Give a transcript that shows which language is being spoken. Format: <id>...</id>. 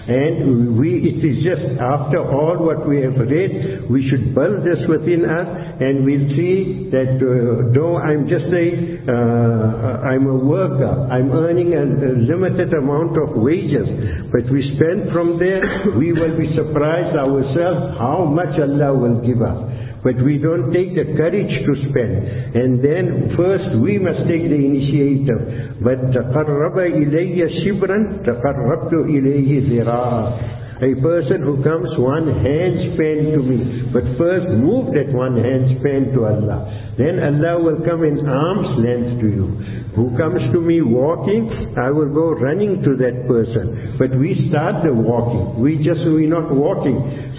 <en>And we, it is just after all what we have read, we should build this within us, and we'll see that though I'm just a, I'm a worker, I'm earning a limited amount of wages, but we spend from there, we will be surprised ourselves how much Allah will give us. But we don't take the courage to spend. And then first we must take the initiative.</en> <ar>But تَقَرَّبَ إِلَيَّ شِبْرًا تَقَرَّبْتُ إِلَيْهِ ذِرَاعًا.</ar> <en>A person who comes one hand span to me, but first move that one hand span to Allah. Then Allah will come in arm's length to you. Who comes to me walking, I will go running to that person. But we start the walking. We're not walking.</en>